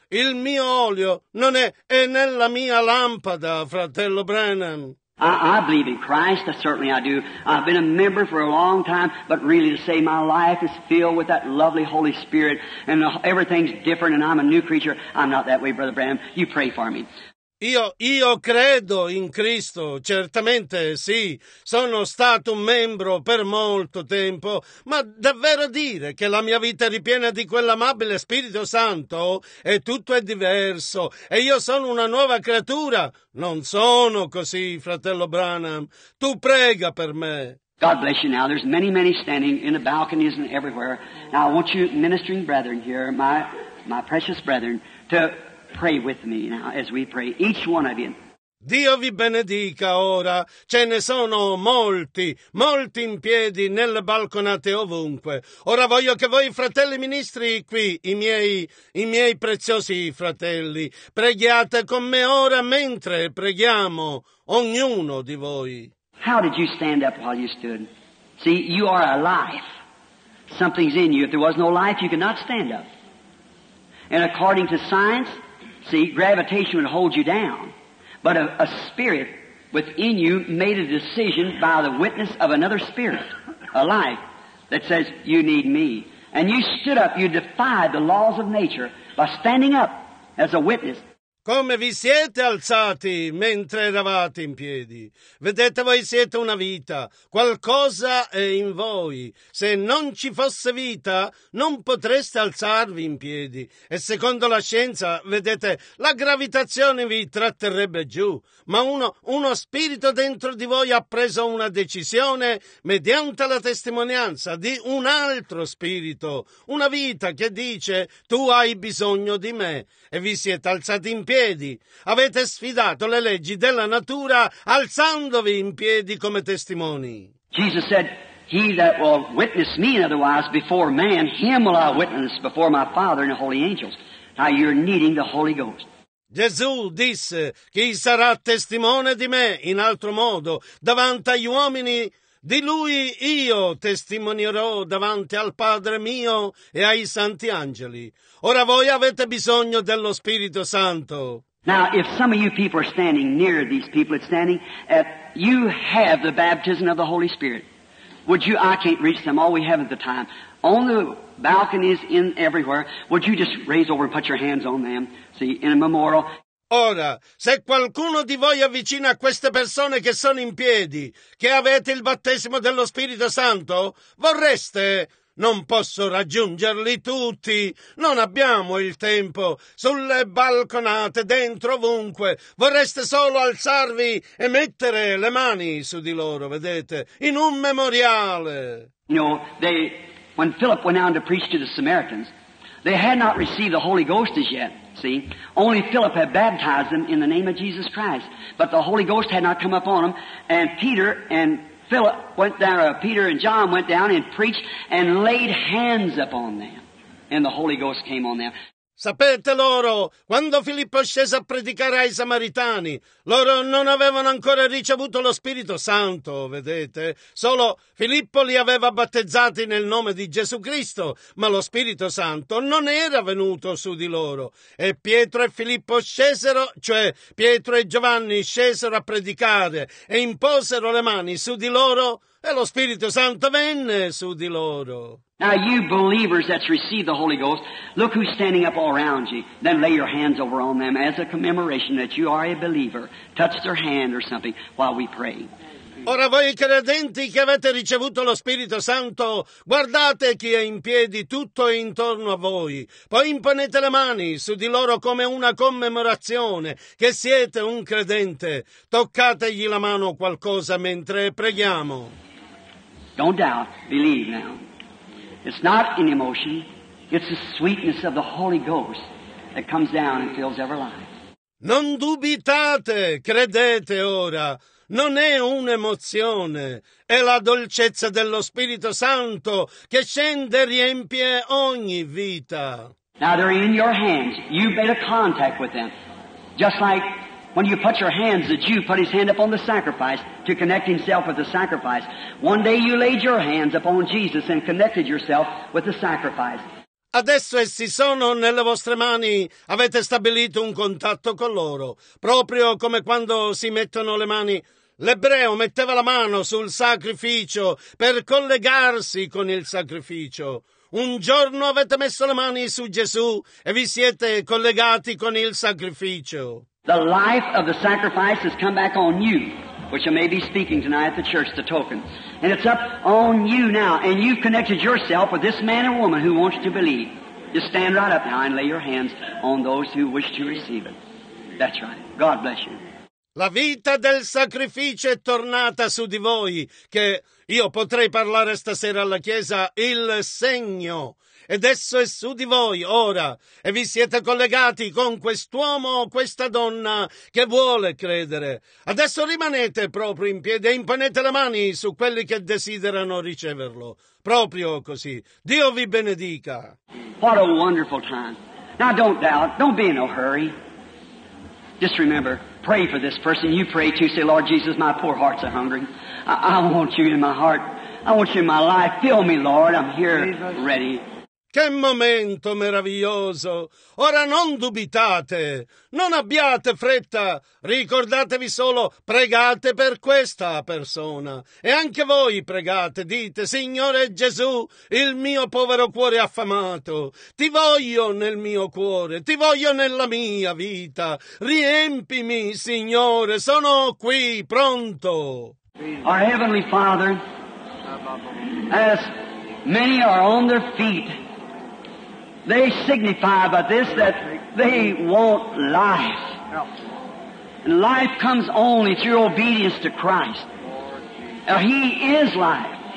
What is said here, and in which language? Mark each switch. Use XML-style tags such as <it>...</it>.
<it>Il mio olio non è nella mia lampada, fratello Branham.</it> <en>I believe in Christ, certainly I do. I've been a member for a long time, but really to say my life is filled with that lovely Holy Spirit and everything's different and I'm a new creature, I'm not that way, Brother Branham. You pray for me.</en> <it>Io credo in Cristo, certamente sì, sono stato un membro per molto tempo, ma davvero dire che la mia vita è ripiena di quell'amabile Spirito Santo e tutto è diverso e io sono una nuova creatura? Non sono così, fratello Branham, tu prega per me.</it> <en>God bless you now, there's many, many standing in the balconies and everywhere. Now I want you ministering brethren here, my precious brethren, to... Pray with me now as we pray, each one of you.</en> <it>Dio vi benedica ora. Ce ne sono molti, molti in piedi, nelle balconate ovunque. Ora voglio che voi, fratelli ministri qui, i miei preziosi fratelli, preghiate con me ora mentre preghiamo, ognuno di voi.</it> <en>How did you stand up while you stood? See, you are alive. Something's in you. If there was no life, you could not stand up. And according to science... See, gravitation would hold you down, but a spirit within you made a decision by the witness of another spirit, a life, that says, you need me. And you stood up, you defied the laws of nature by standing up as a witness.</en> <it>Come vi siete alzati mentre eravate in piedi? Vedete, voi siete una vita, qualcosa è in voi. Se non ci fosse vita, non potreste alzarvi in piedi. E secondo la scienza, vedete, la gravitazione vi tratterrebbe giù. Ma uno spirito dentro di voi ha preso una decisione mediante la testimonianza di un altro spirito, una vita che dice, tu hai bisogno di me. E vi siete alzati in piedi. Avete sfidato le leggi della natura alzandovi in piedi come testimoni.</it> <en>Jesus said, he that will witness me otherwise before man, him will I witness before my Father and the holy angels. Now you're needing the Holy Ghost.</en> <it>Gesù disse: chi sarà testimone di me in altro modo davanti agli uomini? Di lui io testimonierò davanti al Padre mio e ai santi angeli. Ora voi avete bisogno dello Spirito Santo.</it> <en>Now, if some of you people are standing near these people, it's standing, you have the baptism of the Holy Spirit. Would you, I can't reach them, all we have is the time. On the balconies, in everywhere, would you just raise over and put your hands on them, see, in a memorial.</en> <it>Ora, se qualcuno di voi avvicina a queste persone che sono in piedi, che avete il battesimo dello Spirito Santo, vorreste... Non posso raggiungerli tutti, non abbiamo il tempo, sulle balconate, dentro ovunque, vorreste solo alzarvi e mettere le mani su di loro, vedete, in un memoriale.</it> <en>You know, when Philip went out to preach to the Samaritans, they had not received the Holy Ghost as yet, see, only Philip had baptized them in the name of Jesus Christ, but the Holy Ghost had not come upon them, and Peter and John went down and preached and laid hands upon them, and the Holy Ghost came on them.</en> <it>Sapete loro, quando Filippo scese a predicare ai Samaritani, loro non avevano ancora ricevuto lo Spirito Santo, vedete? Solo Filippo li aveva battezzati nel nome di Gesù Cristo, ma lo Spirito Santo non era venuto su di loro. E Pietro e Filippo scesero, cioè Pietro e Giovanni scesero a predicare e imposero le mani su di loro e lo Spirito Santo venne su di loro.</it> <en>Now you believers that's received the Holy Ghost, look who's standing up all around you. Then lay your hands over on them as a commemoration that you are a believer. Touch their hand or something while we pray.</en> <it>Ora voi credenti che avete ricevuto lo Spirito Santo, guardate chi è in piedi tutto intorno a voi. Poi imponete le mani su di loro come una commemorazione che siete un credente. Toccategli la mano o qualcosa mentre preghiamo.</it> <en>Don't doubt, believe now. It's not an emotion, it's the sweetness of the Holy Ghost that comes down and fills every life.</en> <it>Non dubitate, credete ora, non è un'emozione, è la dolcezza dello Spirito Santo che scende e riempie ogni vita.</it> <en>Now they're in your hands, you've made a contact with them, just like when you put your hands, the Jew put his hand upon the sacrifice to connect himself with the sacrifice. One day you laid your hands upon Jesus and connected yourself with the sacrifice.</en> <it>Adesso essi sono nelle vostre mani, avete stabilito un contatto con loro, proprio come quando si mettono le mani. L'ebreo metteva la mano sul sacrificio per collegarsi con il sacrificio. Un giorno avete messo le mani su Gesù e vi siete collegati con il sacrificio.</it> <en>The life of the sacrifice has come back on you, which you may be speaking tonight at the church, the token. And it's up on you now, and you've connected yourself with this man and woman who wants to believe. Just stand right up now and lay your hands on those who wish to receive it. That's right. God bless you.</en> <it>La vita del sacrificio è tornata su di voi, che io potrei parlare stasera alla Chiesa, il segno. Ed esso è su di voi ora, e vi siete collegati con quest'uomo o questa donna che vuole credere. Adesso rimanete proprio in piedi e imponete le mani su quelli che desiderano riceverlo. Proprio così. Dio vi benedica.</it> <en>What a wonderful time. Now don't doubt, don't be in no hurry. Just remember, pray for this person. You pray too. Say, Lord Jesus, my poor heart's a hungry. I want you in my heart. I want you in my life. Fill me, Lord. I'm here ready.</en> <it>Che momento meraviglioso! Ora non dubitate, non abbiate fretta, ricordatevi solo, pregate per questa persona. E anche voi pregate, dite, Signore Gesù, il mio povero cuore affamato, ti voglio nel mio cuore, ti voglio nella mia vita, riempimi, Signore, sono qui, pronto!</it> <en>Our Heavenly Father, as many are on their feet, they signify by this that they want life. And life comes only through obedience to Christ. Now, He is life.</en>